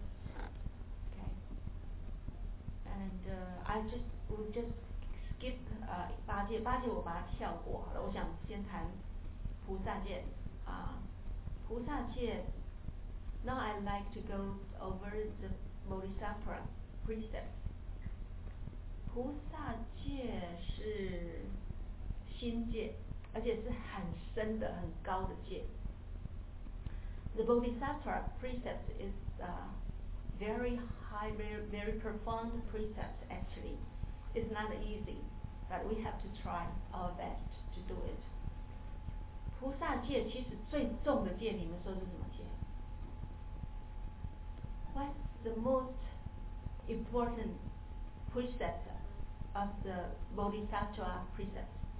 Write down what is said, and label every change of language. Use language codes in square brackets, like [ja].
[en] Okay. And we'll just skip [zh] 八戒，八戒我把它跳过好了，我想先谈菩萨戒。菩萨戒。 [en] Now I'd like to go over the Bodhisattva precepts. [zh] 菩萨戒是心戒，而且是很深的、很高的戒。 [en] The Bodhisattva precepts is very high, very, very profound precepts actually. It's not easy, but we have to try our best to do it. [zh] 菩萨戒其实最重的戒，你们说是什么戒？ [en] What's the most important precept of the Bodhisattva precepts?